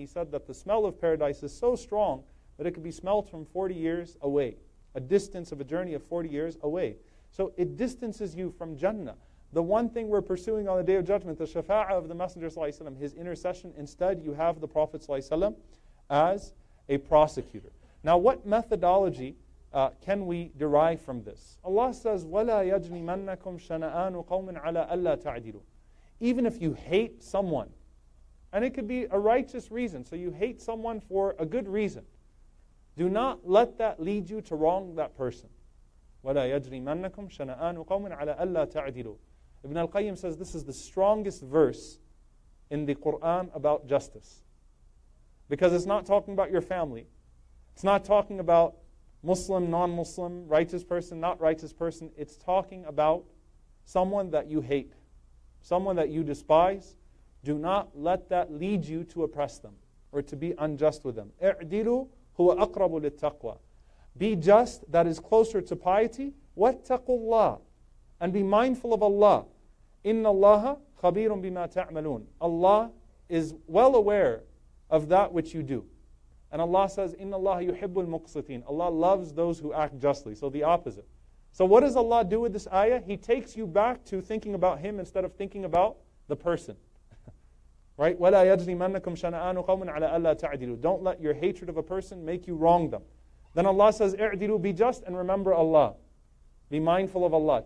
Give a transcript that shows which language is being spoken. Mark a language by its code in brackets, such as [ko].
[en] He said that the smell of paradise is so strong that it could be smelled from 40 years away, a distance of a journey of 40 years away. So it distances you from Jannah. The one thing we're pursuing on the Day of Judgment, the shafa'ah of the Messenger sallallahu alayhi wa sallam, his intercession, instead you have the Prophet sallallahu alayhi wa sallam as a prosecutor. Now what methodology can we derive from this? Allah says, [ar] وَلَا يَجْنِمَنَّكُمْ شَنَآنُ قَوْمٍ عَلَىٰ أَلَّا تَعْدِلُ. [en] Even if you hate someone, and it could be a righteous reason, so you hate someone for a good reason, do not let that lead you to wrong that person. [ar] وَلَا يَجْرِمَنَّكُمْ شَنَآنُ قَوْمٍ عَلَىٰ أَلَّا تَعْدِلُ. [en] Ibn al-Qayyim says this is the strongest verse in the Qur'an about justice. Because it's not talking about your family. It's not talking about Muslim, non-Muslim, righteous person, not righteous person. It's talking about someone that you hate, someone that you despise. Do not let that lead you to oppress them or to be unjust with them. [ar] اعدلوا هو أقرب للتقوى. [en] Be just, that is closer to piety. [ar] واتقوا الله. [en] And be mindful of Allah. [ar] إن الله خبير بما تعملون. [en] Allah is well aware of that which you do. And Allah says, [ar] إن الله يحب المقسطين. [en] Allah loves those who act justly. So the opposite. So what does Allah do with this ayah? He takes you back to thinking about Him instead of thinking about the person. Right? [ar] وَلَا يَجْرِمَنَّكُمْ شَنَآنُ قَوْمٍ عَلَىٰ أَلَّا تَعْدِلُ. [en] Don't let your hatred of a person make you wrong them. Then Allah says, اعدلوا, be just and remember Allah. Be mindful of Allah.